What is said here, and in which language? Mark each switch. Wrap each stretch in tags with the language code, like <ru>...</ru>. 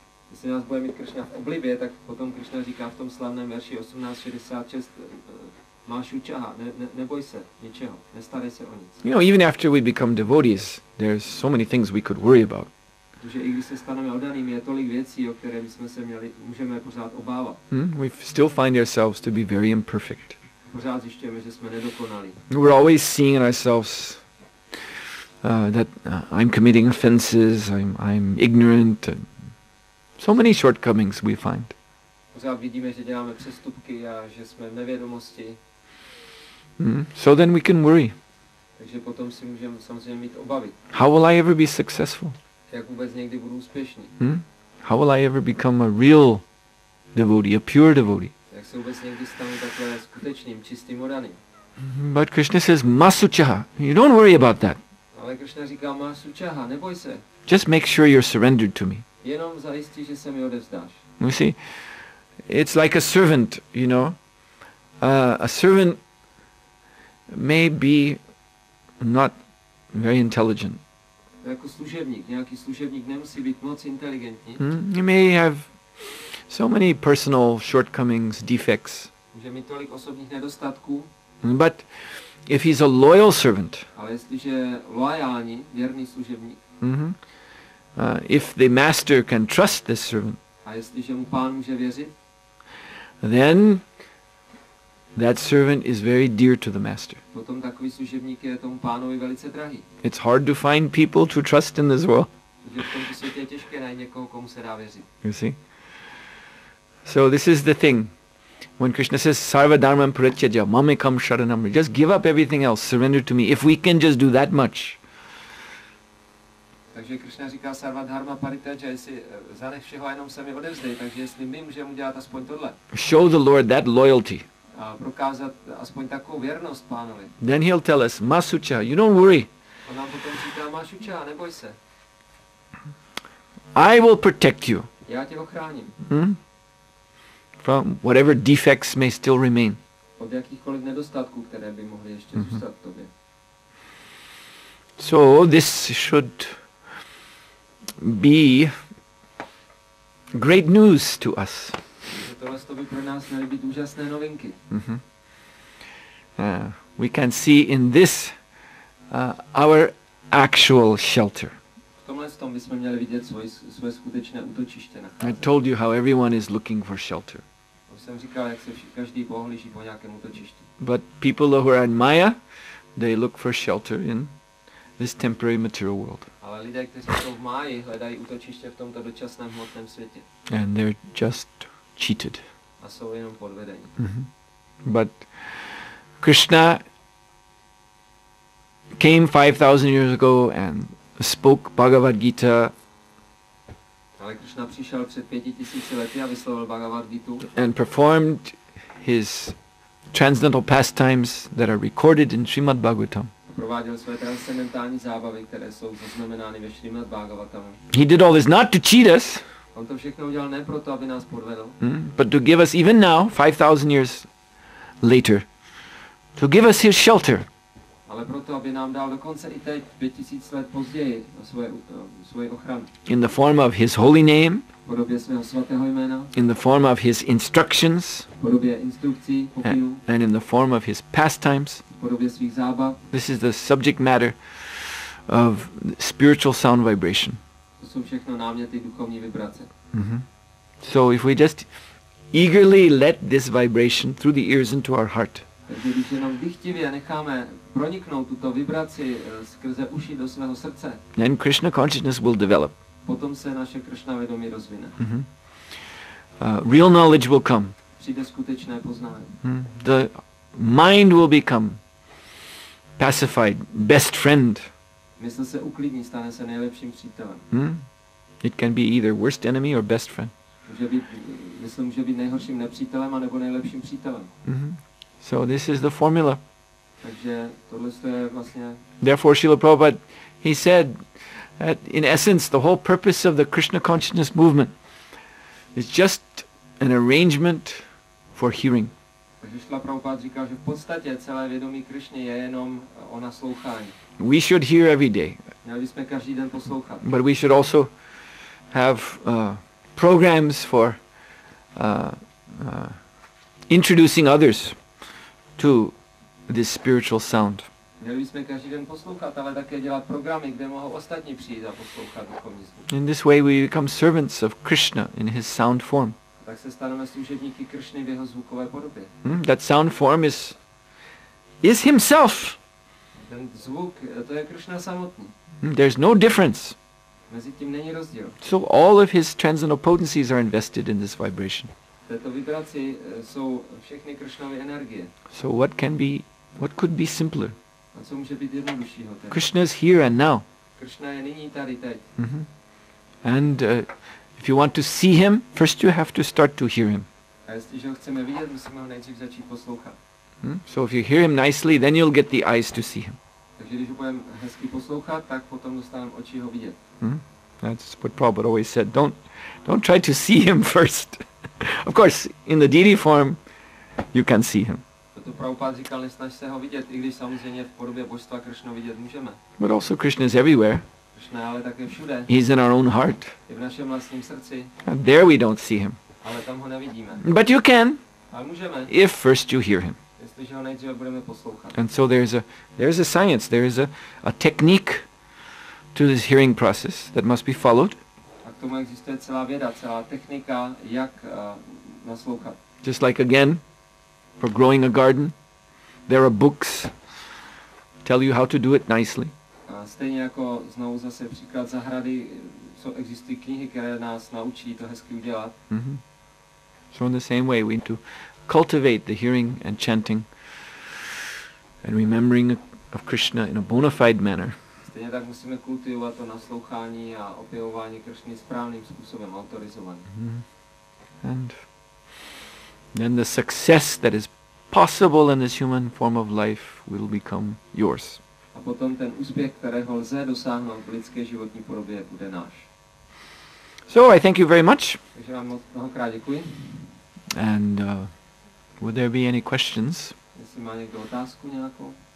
<cs>Jestli nás bude mít Krishna v oblibě, tak potom Krishna říká v tom slavném verši 1866 Masucha, neboj se ničeho, nestarej se o nic.</cs> <en>You know, even after we become devotees, there's so many things we could worry about.</en> <cs>Protože i když se staneme oddanými, je tolik věcí, o které bychom se měli, můžeme pořád obávat.</cs> <en>We still find ourselves to be very imperfect.</en> <cs>Pořád zjišťujeme, že jsme nedokonalí.</cs> <en>We're always seeing ourselves that I'm committing offenses, I'm ignorant, and so many shortcomings we find.</en> <cs>Pořád vidíme, že děláme přestupky a že jsme v nevědomosti.</cs> <en>So then we can worry.</en> <cs>Takže potom si můžeme samozřejmě mít obavy.</cs> <en>How will I ever be successful?</en> <cs>Jak vůbec někdy budu úspěšný?</cs> <en>How will I ever become a real devotee, a pure devotee?</en> <cs>Jak se vůbec někdy stanu takhle skutečným, čistým oddaným?</cs> <en>But Krishna says, Masucha, you don't worry about that.</en> <cs>Ale Krishna říká, Masucha, neboj se.</cs> <en>Just make sure you're surrendered to me.</en> <cs>Jenom zajistí, že se mi odevzdáš.</cs> <en>You see, it's like a servant, you know. A servant may be not very intelligent.</en> <cs>Jako služebník, nějaký služebník nemusí být moc inteligentní.</cs> <en>He may have so many personal shortcomings, defects.</en> <cs>Může mít tolik osobních nedostatků.</cs> <en>But if he's a loyal servant,</en> <cs>ale jestliže loajální, věrný služebník,</cs> <en>If the master can trust this servant,</en> <cs>a jestliže mu pán může věřit,</cs> <en>then that servant is very dear to the master.</en> <cs>Potom takový služebník je tomu pánovi velice drahý.</cs> <en>It's hard to find people to trust in this world.</en> <cs>Protože v tomto světě je těžké najít někoho, komu se dá věřit.</cs> <en>You see? So this is the thing. When Krishna says,</en> <sa>sarva dharmam parityaja, mam ekam sharanam,</sa> <en>just give up everything else, surrender to me, if we can just do that much.</en> <cs>Takže Krishna říká</cs> <sa>sarva dharma parityaja,</sa> <cs>jestli zanech všeho a jenom se mi odevzdej, takže jestli my můžeme udělat aspoň tohle.</cs> <en>Show the Lord that loyalty.</en> <cs>A prokázat aspoň takovou věrnost pánovi.</cs> <en>Then he'll tell us, Masucha, you don't worry.</en> <cs>On nám potom říká, Masucha, neboj se.</cs> <en>I will protect you.</en> <cs>Já tě ochráním.</cs> <en>From whatever defects may still remain.</en> <cs>Od jakýchkoliv nedostatků, které by mohly ještě zůstat tobě.</cs> <en>So this should be great news to us.</en> <cs>Tohle by pro nás měly být úžasné novinky.</cs> <en>We can see in this our actual shelter.</en> <cs>V tomhle tom bychom měli vidět svoje skutečné útočiště.</cs> <en>I told you how everyone is looking for shelter.</en> <cs>Jsem říkal, jak se každý pohlíží po nějakém útočišti.</cs> <en>But people who are in Maya, they look for shelter in this temporary material world.</en> <cs>Ale lidé, kteří jsou v Maji, hledají útočiště v tomto dočasném hmotném světě.</cs> <en>And they're just cheated.</en> <cs>A jsou jenom podvedení.</cs> <en>But Krishna came 5,000 years ago and spoke Bhagavad Gita.</en> <cs>Ale Krishna přišel před 5000 lety a vyslovil Bhagavad Gitu.</cs> <en>And performed his transcendental pastimes that are recorded in Srimad Bhagavatam.</en> <cs>Prováděl své transcendentální zábavy, které jsou zaznamenány ve Srimad Bhagavatam.</cs> <en>He did all this not to cheat us.</en> <cs>On to všechno udělal ne proto, aby nás podvedl.</cs> <en>But to give us even now, 5,000 years later, to give us his shelter.</en> <cs>Ale proto, aby nám dal dokonce i teď, 5000 let později, svoje ochranu.</cs> <en>In the form of his holy name.</en> <cs>V podobě svého svatého jména.</cs> <en>In the form of his instructions.</en> <cs>V podobě instrukcí, pokynů.</cs> <en>And in the form of his pastimes.</en> <cs>V podobě svých zábav.</cs> <en>This is the subject matter of spiritual sound vibration.</en> <cs>To jsou všechno náměty duchovní vibrace.</cs> <en>So if we just eagerly let this vibration through the ears into our heart.</en> <cs>Takže když jenom vychtivě necháme proniknout tuto vibraci skrze uši do svého srdce.</cs> <en>Then Krishna consciousness will develop.</en> <cs>Potom se naše Krishna vědomí rozvine.</cs> <en>Real knowledge will come.</en> <cs>Přijde skutečné poznání.</cs> <en>The mind will become pacified, best friend.</en> <cs>Mysl se uklidní, stane se nejlepším přítelem.</cs> <en>Hmm? It can be either worst enemy or best friend.</en> <cs>Může být nejhorším nepřítelem a nebo nejlepším přítelem.</cs> <en>Mm-hmm. So this is the formula.</en> <cs>Takže tohle je vlastně.</cs> <en>Therefore, Srila Prabhupada, he said that in essence, the whole purpose of the Krishna consciousness movement is just an arrangement for hearing.</en> <cs>Takže Srila Prabhupada říká, že v podstatě celé vědomí Krishny je jenom o naslouchání.</cs> <en>We should hear every day.</en> <cs>Měli bychom každý den poslouchat.</cs> <en>But we should also have programs for introducing others to this spiritual sound.</en> <cs>Měli bychom každý den poslouchat, ale také dělat programy, kde mohou ostatní přijít a poslouchat duchovní zvuk.</cs> <en>In this way we become servants of Krishna in his sound form.</en> <cs>Tak se staneme služebníky Krishny v jeho zvukové podobě.</cs> <en>That sound form is himself.</en> <cs>Ten zvuk, to je Krishna samotný.</cs> <en>There's no difference.</en> <cs>Mezi tím není rozdíl.</cs> <en>So all of his transcendental potencies are invested in this vibration.</en> <cs>Této vibraci jsou všechny Krishnovy energie.</cs> <en>So what could be simpler?</en> <cs>A co může být jednoduššího?</cs> <en>Krishna is here and now.</en> <cs>Krishna je nyní tady teď. Mm-hmm.</cs> <en>And if you want to see him, first you have to start to hear him.</en> <cs>A jestliže ho chceme vidět, musíme ho nejdřív začít poslouchat. Hmm?</cs> <en>So if you hear him nicely, then you'll get the eyes to see him.</en> <cs>Takže když ho budem hezky poslouchat, tak potom dostanem oči ho vidět.</cs> <en>That's what Prabhupada always said. Don't try to see him first. Of course, in the deity form, you can see him.</en> <cs>To Prabhupada říkal, nesnaž se ho vidět, i když samozřejmě v podobě božstva Krishna vidět můžeme.</cs> <en>But also Krishna is everywhere.</en> <cs>Krishna je ale také všude.</cs> <en>He's in our own heart.</en> <cs>Je v našem vlastním srdci.</cs> <en>And there we don't see him.</en> <cs>Ale tam ho nevidíme.</cs> <en>But you can.</en> <cs>Ale můžeme.</cs> <en>If first you hear him.</en> <cs>Jestliže ho nejdříve budeme poslouchat.</cs> <en>And so there is a science, there is a technique to this hearing process that must be followed.</en> <cs>A k tomu existuje celá věda, celá technika, jak naslouchat.</cs> <en>Just like again, for growing a garden, there are books tell you how to do it nicely.</en> <cs>A stejně jako znovu zase příklad zahrady, co existují knihy, které nás naučí to hezky udělat. Mm-hmm.</cs> <en>So in the same way, we need to cultivate the hearing and chanting and remembering of Krishna in a bona fide manner.</en> <cs>Stejně tak musíme kultivovat to naslouchání a objevování Krishny správným způsobem, autorizovaným. Mm-hmm.</cs> <en>And then the success that is possible in this human form of life will become yours.</en> <cs>A potom ten úspěch, kterého lze dosáhnout v lidské životní podobě, bude náš.</cs> <en>So I thank you very much.</en> <cs>Takže vám mnohokrát děkuji.</cs> <en>And would there be any questions?</en> <cs>Jestli má někdo otázku nějakou?</cs>